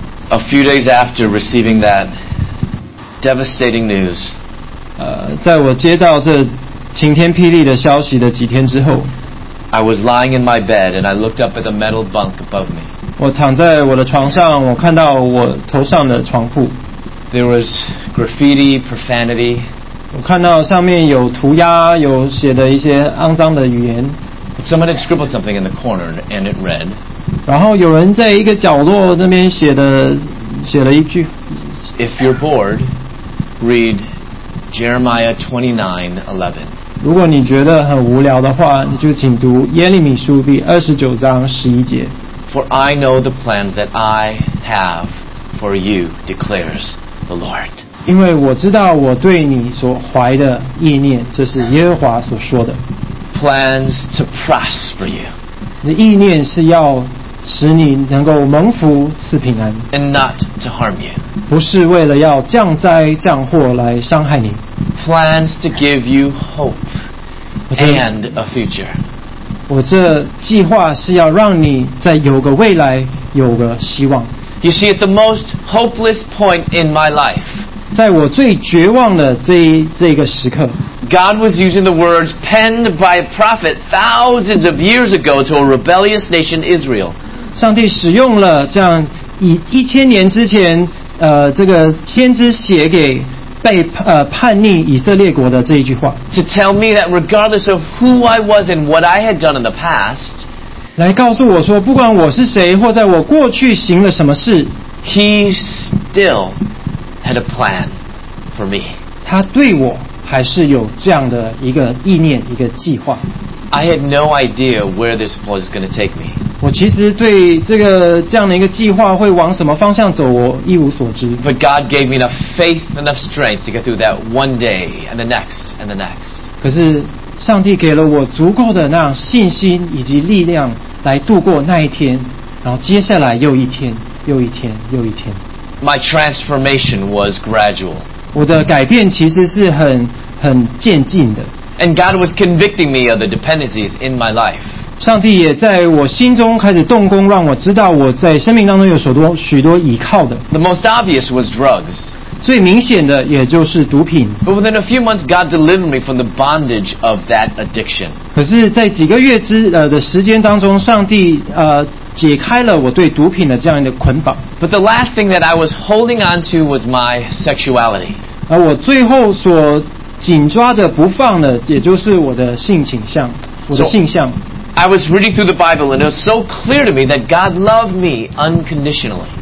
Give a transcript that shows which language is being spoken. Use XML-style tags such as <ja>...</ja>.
<en>A few days after receiving that devastating news,</en> <zh>在我接到这晴天霹雳的消息的几天之后。</zh> <en>I was lying in my bed and I looked up at the metal bunk above me.</en> <zh>我躺在我的床上，我看到我头上的床铺。</zh> <en>There was graffiti, profanity.</en> <zh>我看到上面有涂鸦，有写的一些肮脏的语言。</zh> <en>Someone had scribbled something in the corner and it read.</en> <zh>然后有人在一个角落那边写了一句。</zh> <en>If you're bored, read Jeremiah 29:11.</en> <zh>如果你觉得很无聊的话，你就请读耶利米书第二十九章十一节。</zh> <en>For I know the plans that I have for you, declares the Lord.</en> <zh>因为我知道我对你所怀的意念，这是耶和华所说的。</zh> <en>Plans to prosper you.</en> <zh>你意念是要使你能够蒙福赐平安。</zh> <en>And not to harm you.</en> <zh>不是为了要降灾降祸来伤害你。</zh> <en>Plans to give you hope and a future.</en> <zh>我这计划是要让你在有个未来，有个希望。</zh> <en>You see, at the most hopeless point in my life,</en> <zh>在我最绝望的这个时刻，</zh> <en>God was using the words penned by a prophet thousands of years ago to a rebellious nation, Israel.</en> <zh>上帝使用了这样一千年之前，这个先知写给。被叛逆以色列国的这一句话</zh> <en>to tell me that regardless of who I was and what I had done in the past</en> <zh>来告诉我说不管我是谁或在我过去行了什么事</zh> <en>he still had a plan for me</en> <zh>他对我还是有这样的一个意念一个计划</zh> <en>I had no idea where this was going to take me</en> <zh>我其实对这样的一个计划会往什么方向走我一无所知</zh> <en>But God gave me enough faith enough strength to get through that one day and the next and the next</en> <zh>可是上帝给了我足够的那样信心以及力量来度过那一天然后接下来又一天又一天又一天</zh> <en>My transformation was gradual</en> <zh>我的改变其实是很渐进的。</zh> <en>And God was convicting me of the dependencies in my life.</en> <zh>上帝也在我心中开始动工，让我知道我在生命当中有许多依靠的。</zh> <en>The most obvious was drugs.</en> <zh>最明显的也就是毒品。</zh> <en>But within a few months, God delivered me from the bondage of that addiction.</en> <zh>可是，在几个月的时间当中，上帝解开了我对毒品的这样的捆绑。</zh> <en>But the last thing that I was holding on to was my sexuality.</en> <zh>而我最后所紧抓的不放的，也就是我的性倾向，我的性向。</zh> <en>So,I was reading through the Bible and it was so clear to me that God loved me unconditionally.</en>